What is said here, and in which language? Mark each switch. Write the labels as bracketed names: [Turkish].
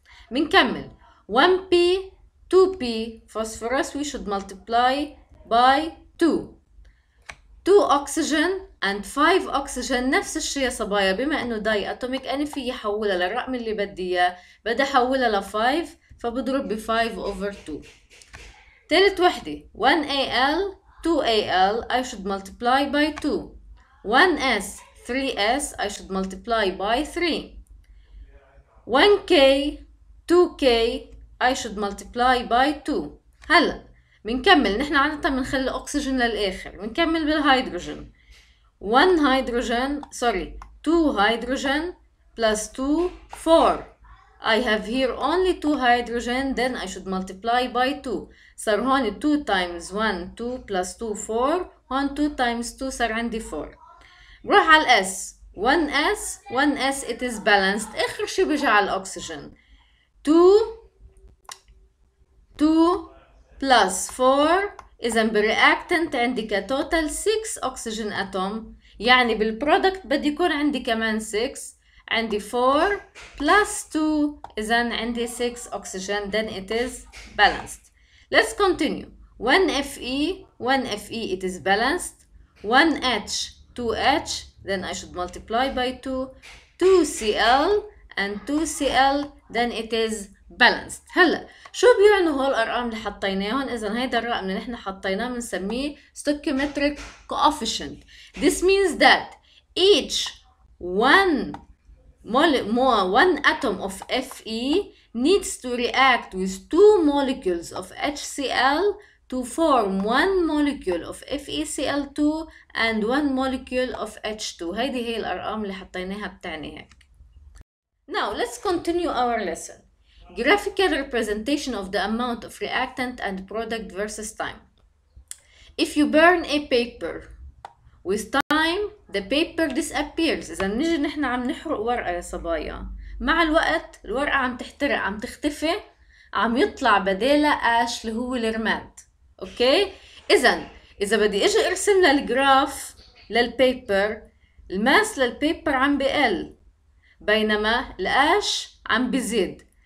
[Arabic] بنكمل [English] 1p 2p phosphorus we should multiply by 2 2 oxygen and 5 oxygen [Arabic] نفس الشيء يا صبايا بما انه داي اتوميك انا في حولها للرقم اللي بدي اياه بدي احولها ل 5 فبضرب ب 5 over 2. ثالث وحده [English] 1al 2al I should multiply by 2 1s 3s I should multiply by 3 1k 2k I should multiply by 2. [Arabic] هلا بنكمل نحن عادة بنخلي الاكسجين للاخر بنكمل بالهيدروجين [English] 1 hydrogen sorry 2 hydrogen plus 2 4 I have here only 2 hydrogen then I should multiply by 2 [Arabic] صار هون 2 times 1 2 plus 2 4 هون 2 times 2 صار عندي 4 بروح على الاس [English] 1s 1s it is balanced [Arabic] اخر شيء بيجي على الاكسجين 2 plus 4 إذا بالرياكتنت عندي كتوتال 6 أكسجين أتوم يعني بالبرودكت بدي يكون عندي كمان 6 عندي 4 plus 2 إذا عندي 6 أكسجين [English] then it is balanced. Let's continue 1Fe 1Fe it is balanced 1H 2H then I should multiply by 2 2Cl and 2Cl then it is balanced. [Arabic] هلا شو بيعنوا هالارقام اللي حطيناهم؟ اذا هيدا الرقم اللي نحن حطيناه بنسميه stoichiometric coefficient. [English] This means that each one atom of Fe needs to react with two molecules of HCl to form one molecule of FeCl2 and one molecule of H2. [Arabic] هيدي هي الارقام اللي حطيناها بتعني هيك. [English] Now let's continue our lesson. Graphical representation of the amount of reactant and product versus time. If you burn a paper with time, the paper disappears. [Arabic] إذا نيجي نحن عم نحرق ورقة يا صبايا. مع الوقت الورقة عم تحترق عم تختفي عم يطلع بدالها ash اللي هو الرماد. اوكي؟ إذا بدي اجي ارسم للجراف للبيبر الماس للبيبر عم بقل بينما الاش عم بزيد.